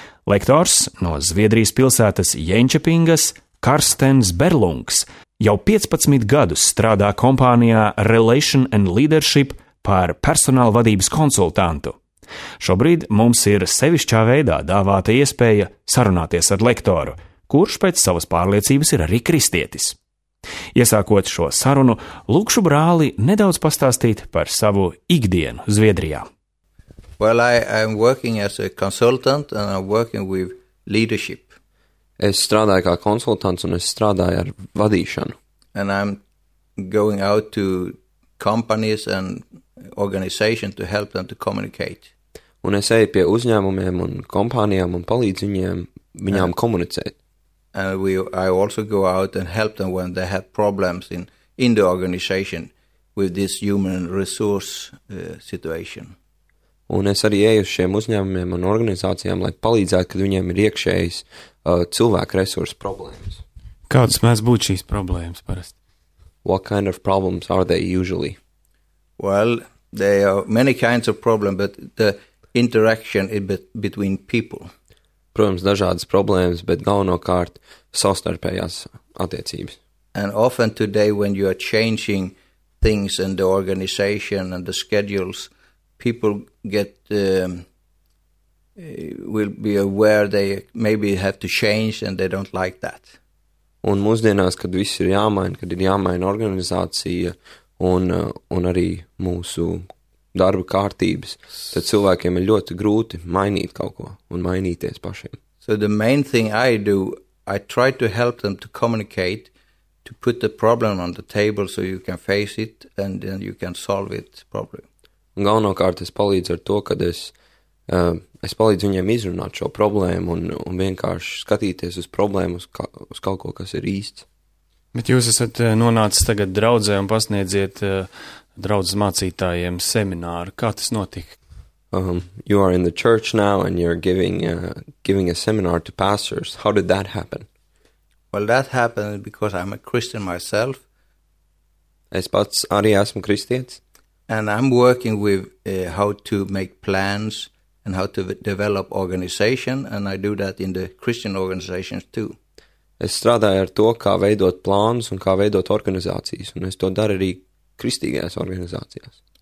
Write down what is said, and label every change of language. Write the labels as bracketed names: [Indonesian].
[Latvian] Lektors no Zviedrijas pilsētas Jēnčepingas Karstens Berlungs jau 15 gadus strādā kompānijā Relation and Leadership par personāla vadības konsultantu. Šobrīd mums ir sevišķā veidā dāvāta iespēja sarunāties ar lektoru, kurš pēc savas pārliecības ir arī kristietis. Iesākot šo sarunu, lūkšu brāli nedaudz pastāstīt par savu ikdienu Zviedrijā. [English] Well, I'm working as a consultant and I'm working with leadership. [Latvian] Es strādāju kā konsultants un es strādāju ar vadīšanu. [English] And I'm going out to companies and organization to help them to communicate. [Latvian] Un es eju pie uzņēmumiem un kompānijām un palīdz viņām komunicēt. [English] And I also go out and help them when they have problems in the organization with this human resource situation. [Latvian] Un es arī eju uz šiem uzņēmumiem un organizācijām, lai palīdzētu, kad viņiem ir iekšējas cilvēku resursu problēmas. Kādas mēs būtu šīs problēmas parasti? [English] What kind of problems are they usually? Well, there are many kinds of problems, but the interaction is between people. [Latvian] Protams, dažādas problēmas, bet galvenokārt savstarpējās attiecības. [English] And often today when you are changing things in the organization and the schedules, people get will be aware they maybe have to change and they don't like that. [Latvian] Un mūsdienās, kad viss ir jāmaina, kad ir jāmaina organizācija, Un arī mūsu darba kārtības, tad cilvēkiem ir ļoti grūti mainīt kaut ko un mainīties pašiem. [English] So the main thing I do, I try to help them to communicate, to put the problem on the table so you can face it and then you can solve it properly. [Latvian] Un galvenokārt es palīdzu ar to, kad es palīdzu viņiem izrunāt šo problēmu un vienkārši skatīties uz problēmu, uz kaut ko, kas ir īsts. Bet jūs esat nonācis tagad draudzē un pasniedziet draudzes mācītājiem semināru. Kā tas notika? [English] You are in the church now and you're giving a seminar to pastors. How did that happen? Well, that happened because I'm a Christian myself. [Latvian] Es pats arī esmu kristiets. [English] And I'm working with how to make plans and how to develop organization and I do that in the Christian organizations too. [Latvian] Es strādāju ar to, kā veidot plānus un kā veidot organizācijas, un es to daru arī kristīgajās organizācijās.